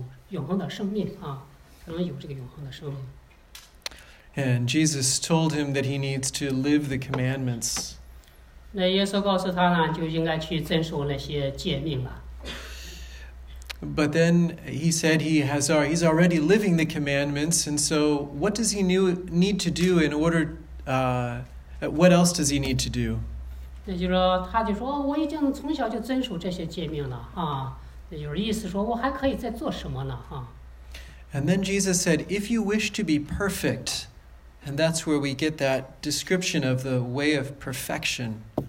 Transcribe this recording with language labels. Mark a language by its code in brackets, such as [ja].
[zh] 这个年轻人呢，走到耶稣那儿问，啊，我怎么样做才能继承这个永恒的生命啊，才能有这个永恒的生命？ [en] And Jesus told him that he needs to live the commandments. [zh] 那耶稣告诉他呢，就应该去遵守那些诫命了。 [en] But then he said he's already living the commandments, and so what does he need to do in order, what else does he need to do? [zh] 那就是说，他就说，我已经从小就遵守这些诫命了啊，那就是意思说我还可以再做什么呢啊？ [en] And then Jesus said, if you wish to be perfect, and that's where we get that description of the way of perfection.